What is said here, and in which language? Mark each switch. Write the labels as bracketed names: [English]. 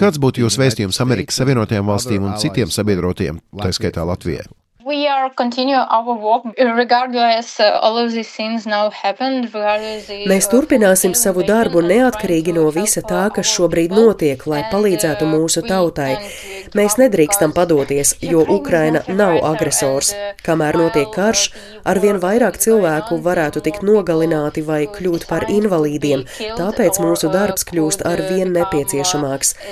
[Latvian] Kāds būtu jūsu vēstījums Amerikas Savienotajām valstīm un citiem sabiedrotiem, tā skaitā Latvijai? [English] We are continue our work regardless all of these things now happened [Latvian] Mēs turpināsim savu darbu neatkarīgi no visa tā, kas šobrīd notiek, lai palīdzētu mūsu tautai. Mēs nedrīkstam padoties, jo Ukraina nav agresors. Kamēr notiek karš, arvien vairāk cilvēku varētu tikt nogalināti vai kļūt par invalīdiem, tāpēc mūsu darbs kļūst arvien nepieciešamāks.